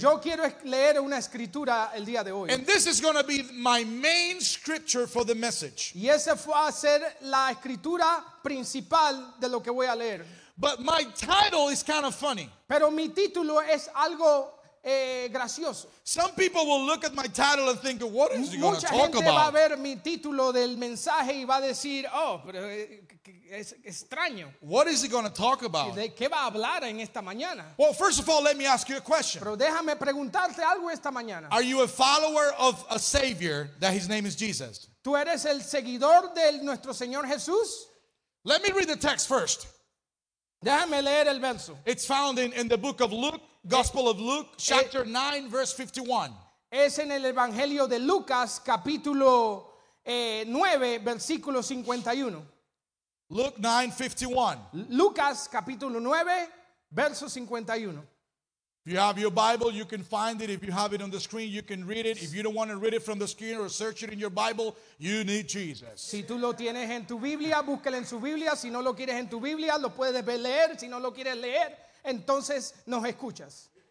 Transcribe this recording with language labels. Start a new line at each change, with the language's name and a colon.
Spanish: Yo quiero leer una escritura el día de hoy.
English: And this is going to be my main scripture for the message.
Spanish: Y esa va a ser la escritura principal de lo que voy a leer.
English: But my title is kind of funny.
Spanish: Pero mi título es algo gracioso.
English: Some people will look at my title and think, "What is he going to talk about?"
Spanish: Mucha gente va a ver mi título del mensaje y va a decir, "Oh, pero es extraño."
English: What is he going to talk about?
Spanish: ¿De qué va a hablar en esta mañana?
English: Well, first of all, let me ask you a question.
Spanish: Pero déjame preguntarte algo esta mañana.
English: Are you a follower of a Savior that His name is Jesus?
Spanish: ¿Tú eres el seguidor de nuestro Señor Jesús?
English: Let me read the text first.
Spanish: Déjame leer el verso.
English: It's found in the book of Luke. Gospel of Luke, chapter 9, verse 51.
Spanish: Es en el Evangelio de Lucas, capítulo 9, versículo 51.
English: Luke 9, 51.
Spanish: Lucas, capítulo 9, verso 51.
English: If you have your Bible, you can find it. If you have it on the screen, you can read it. If you don't want to read it from the screen or search it in your Bible, you need Jesus.
Spanish: Si tú lo tienes en tu Biblia, búscalo en su Biblia. Si no lo quieres en tu Biblia, lo puedes leer. Si no lo quieres leer, entonces nos escuchas.